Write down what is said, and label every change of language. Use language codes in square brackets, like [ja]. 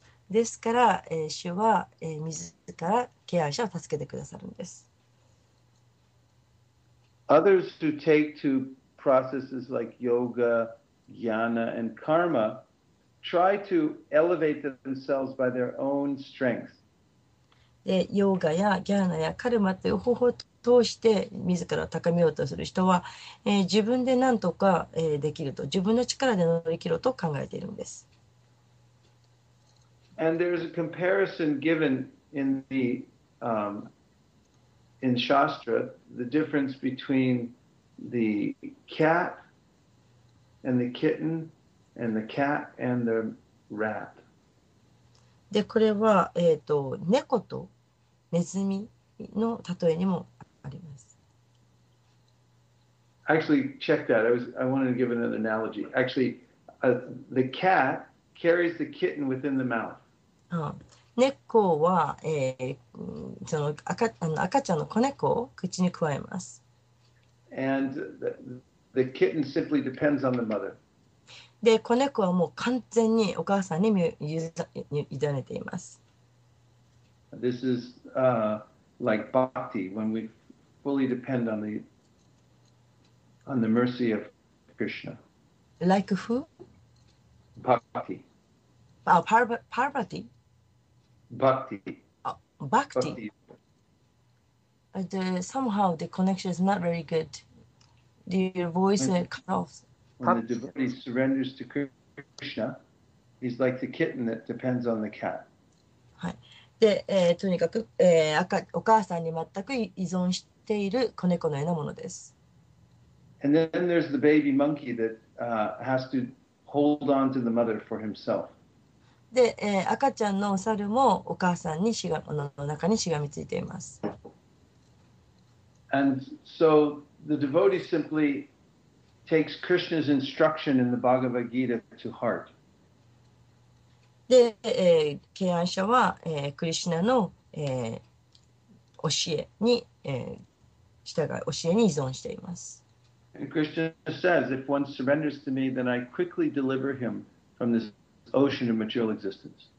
[ja] ですから、主は、自ら敬愛者を助けてくださるんです。 [en] Others who take to processes like yoga, jnana, and karma. Try to elevate themselves by their own strength. [ja] で、ヨガやギャーナやカルマという方法を通して自らを高めようとする人は、自分で何とか、できると、自分の力で乗り切ろうと考えているんです。 [en] And there's a comparison given in the, in Shastra, the difference between the cat and the kitten. And the cat and the rat. [ja] で、これは、猫とネズミの例えにもあります。 [en] Actually, check that. I wanted to give an analogy. Actually, the cat carries the kitten within the mouth. [ja] 猫は、その赤ちゃんの子猫を口に加えます。 [en] And the kitten simply depends on the mother. [ja] で、子猫はもう完全にお母さんに委ねています。 [en] This is, like bhakti, when we fully depend on the mercy of Krishna. Like who? Bhakti. Parvati? Bhakti. Bhakti? Bhakti. Somehow the connection is not very good. your voice when, cut off. When the devotee surrenders to Krishna, he's like the kitten that depends on the cat. [ja] で、とにかく、お母さんに全く依存している子猫のようなものです。 [en] And then there's the baby monkey that, has to hold on to the mother for himself. [ja] で、赤ちゃんのお猿もお母さんにしがの中にしがみついています。 [en] And so the devotee simply takes Krishna's instruction in the Bhagavad Gita to heart. [ja] で、敬愛者は、クリシュナの、教えに、従い、教えに依存しています。 [en] And Krishna says, if one surrenders to me, then I quickly deliver him from this ocean of material existence.